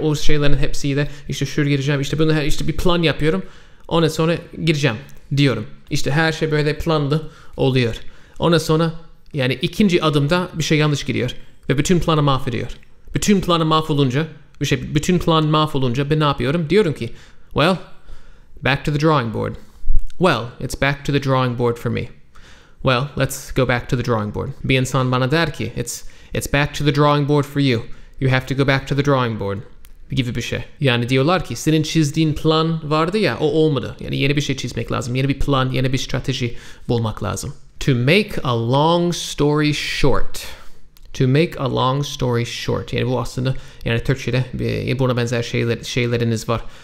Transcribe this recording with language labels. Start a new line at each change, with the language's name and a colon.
Turkish: O şeylerin hepsiyle işte şuraya gireceğim. İşte bunu işte bir plan yapıyorum. Ondan sonra gireceğim diyorum. İşte her şey böyle planlı oluyor. Ondan sonra yani ikinci adımda bir şey yanlış gidiyor ve bütün planı mahvediyor. Bütün planı mahvolunca, bütün plan mahvolunca ben ne yapıyorum? Diyorum ki,
English: well, back to the drawing board. Well, it's back to the drawing board for me. Well, let's go back to the drawing board.
Turkish: Bir insan bana der ki,
English: it's back to the drawing board for you. You have to go back to the drawing board.
Turkish: Gibi bir şey. Yani diyorlar ki senin çizdiğin plan vardı ya o olmadı. Yani yeni bir şey çizmek lazım. Yeni bir plan, yeni bir strateji bulmak lazım.
English: To make a long story short. To make a long story short.
Turkish: Yani bu aslında yani Türkçe'de buna benzer şeyleriniz var.